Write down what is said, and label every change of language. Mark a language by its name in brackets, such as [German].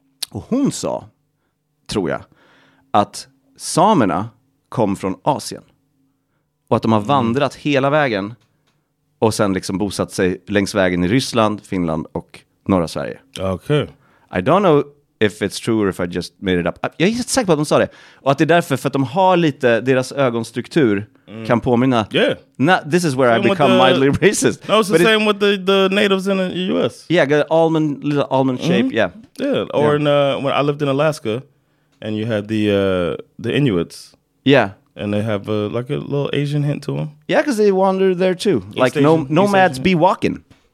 [Swedish] Och hon sa, tror jag, att samerna kom från Asien. Och att de har vandrat hela vägen och sen liksom bosatt sig längs vägen i Ryssland, Finland och norra Sverige. Okej. Okay. [English] I don't know if it's true or if I just made it up. [Swedish] Jag är inte säker på att de sa det. Och att det är därför, för att de har lite, deras ögonstruktur kan påminna. [English] Yeah. This is where same I become mildly racist. No, it's the same with the natives in the US. Yeah, got almond, little almond shape, yeah. Yeah, or yeah. When I lived in Alaska, and you had the Inuits. Yeah. And they have like a little Asian hint to them. Yeah, because they wander there too. East like Asian, no, nomads be walking.